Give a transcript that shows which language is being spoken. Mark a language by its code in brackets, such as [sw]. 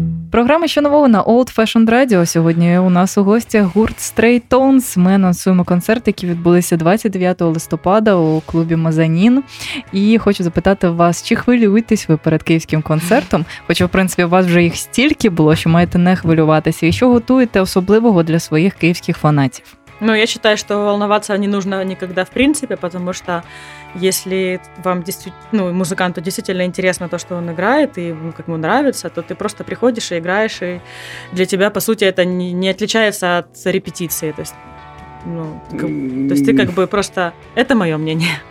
[uk] програми «Що нового» на Old Fashioned Radio. Сьогодні у нас у гостях гурт Stray Tones. Ми анонсуємо концерт, який відбулися 29 листопада у клубі «Мезанін». І хочу запитати вас, чи хвилюєтесь ви перед київським концертом? Хоча, в принципі, у вас вже їх стільки було, що маєте не хвилюватися. І що готуєте особливого для своїх київських фанатів? [ru] Ну, я считаю, что волноваться не нужно никогда в принципе, потому что если вам действительно, ну, музыканту действительно интересно то, что он играет, и ему, как ему нравится, то ты просто приходишь и играешь, и для тебя, по сути, это не отличается от репетиции. То есть, ну, то есть ты как бы просто... Это мое мнение.